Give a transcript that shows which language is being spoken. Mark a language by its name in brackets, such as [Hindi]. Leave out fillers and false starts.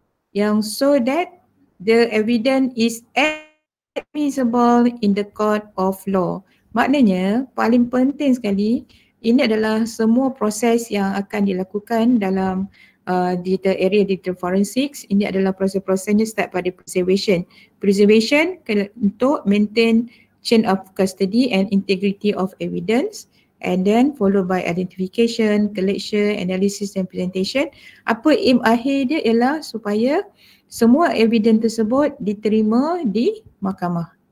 [English] Yang so that the evidence is admissible in the court of law. [Malay] Maknanya paling penting sekali ini adalah semua proses yang akan dilakukan dalam [English] digital area digital forensics. [Malay] Ini adalah proses-prosesnya start pada preservation. [English] Preservation untuk maintain chain of custody and integrity of evidence. and then followed by identification, collection, analysis and presentation. [Malay] Apa aim akhir dia ialah supaya semua evidence tersebut diterima di mahkamah.